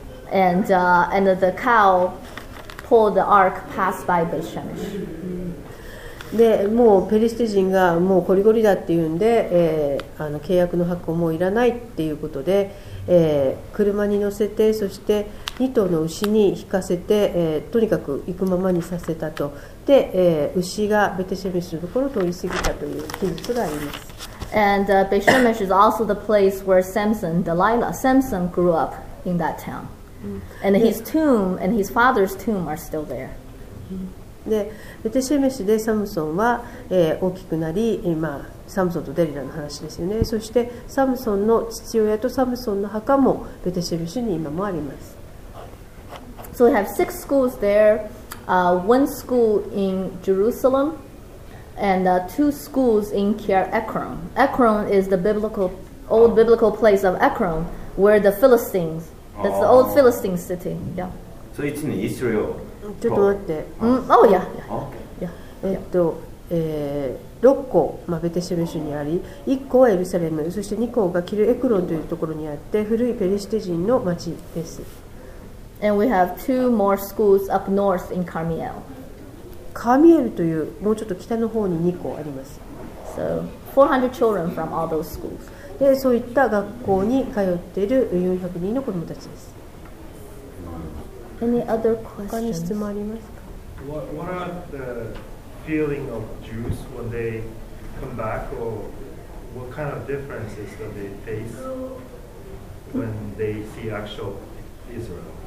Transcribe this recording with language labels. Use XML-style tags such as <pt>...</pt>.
<en>And the cow pulled the ark past by Beit Shemesh.</en> <ja>で、もうペリシテ人がもうコリゴリだっていうんで、契約の箱もいらないっていうことで。車に乗せてそして2頭の牛に引かせて、とにかく行くままにさせたとで、牛がベテシェメシのところを通り過ぎたという記述があります</ja> <en>And Beit Shemesh is also the place where Samson, Delilah, Samson grew up in that town And his tomb and his father's tomb are still there</en> <ja>でベテシェメシでサムソンは、大きくなり今サムソンとデリラの話ですよね。そしてサムソンの父親とサムソンの墓もベテシェメシに今もあります。</ja> <en>So we have six schools there. One school in Jerusalem, and two schools in Kir Ekron. Ekron is the old biblical place of Ekron, where the Philistines. That's the old Philistine city. Yeah. So it's in Israel.</en> <ja>ちょっと待って。</ja> <en>Oh yeah. Yeah. Yeah.</en> <ja>6校、まあ、ベテシェメシュにあり1校はエルサレムそして2校がキルエクロンというところにあって古いペリシテ人の町です</ja> <en>And we have two more schools up north in Carmiel.</en> <ja>カーミエルというもうちょっと北の方に2校あります</ja> <en>So 400 children from all those schools.</en> <ja>でそういった学校に通っている400人の子どもたちです</ja> <en>Any other questions?</en> <ja>他に質問ありますか</ja> <en>What are theFeeling of Jews when they come back, or what kind of differences do they face when they see actual Israel?</en>